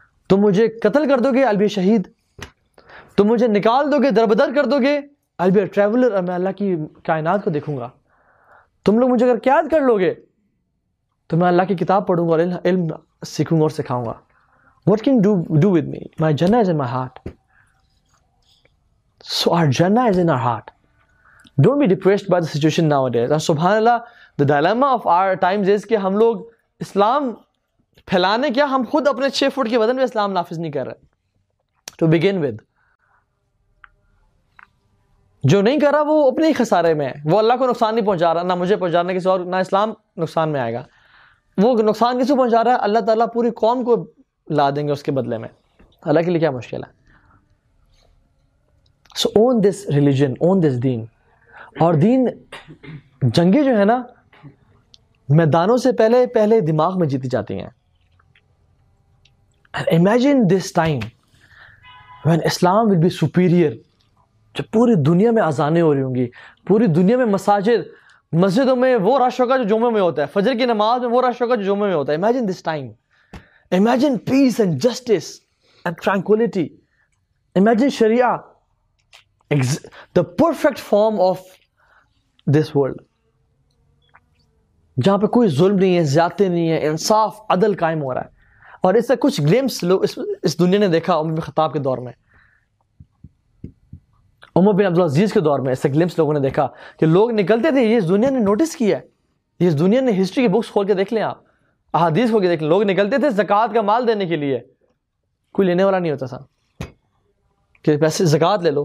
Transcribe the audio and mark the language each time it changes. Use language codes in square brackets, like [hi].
[ur] تم مجھے قتل کر دو گے, [en] I be a [ur] شہید. تم مجھے نکال دو گے, دربدر کر دو گے, [en] I be a traveller, [ur] اور میں اللہ کی کائنات کو دیکھوں گا. تم لوگ مجھے اگر قید کر لو گے تو میں اللہ کی کتاب پڑھوں گا اور علم سیکھوں گا اور سکھاؤں گا. [en] What can do with me, my جنت is in my heart. So our Jannah is in our heart. Don't be depressed by the situation nowadays. And subhanAllah, the dilemma of our times is [ur] کہ ہم لوگ اسلام پھیلانے کیا, ہم خود اپنے 6 فٹ کے وزن میں اسلام نافذ نہیں کر رہے. [en] To begin with, [ur] جو نہیں کر رہا وہ اپنے ہی خسارے میں ہے, وہ اللہ کو نقصان نہیں پہنچا رہا, نہ مجھے پہنچا رہا, کسی اور, نہ اسلام نقصان میں آئے گا. وہ نقصان کسی کو پہنچا رہا ہے, اللہ تعالیٰ پوری قوم کو لا دیں گے اس کے بدلے میں. اللہ کے لیے کیا مشکل ہے؟ [en] So own this religion, own this deen. [ur] اور دین, جنگیں جو ہیں نا میدانوں سے پہلے پہلے دماغ میں جیتی جاتی ہیں. [en] And imagine this time when Islam will be superior, [ur] جب پوری دنیا میں اذانیں ہو رہی ہوں گی, پوری دنیا میں مساجد, مسجدوں میں وہ رش ہوگا جو جمعے میں ہوتا ہے, فجر کی نماز میں وہ رش ہوگا جو جمعے میں ہوتا ہے. [en] Imagine this time. Imagine peace and justice and tranquility. Imagine Sharia. The perfect form of this world, [ur] جہاں پہ کوئی ظلم نہیں ہے, زیادتی نہیں ہے, انصاف عدل قائم ہو رہا ہے. اور اس سے کچھ گلمپس لوگ اس دنیا نے دیکھا عمر بن خطاب کے دور میں, عمر بن عبدالعزیز کے دور میں اس سے گلمپس لوگوں نے دیکھا کہ لوگ نکلتے تھے, یہ اس دنیا نے نوٹس کیا ہے, یہ اس دنیا نے ہسٹری کی بکس کھول کے دیکھ لیں, آپ احادیث کھول کے دیکھ لیں, لوگ نکلتے تھے زکوٰۃ کا مال دینے کے لیے, کوئی لینے والا نہیں ہوتا تھا کہ پیسے زکات لے لو.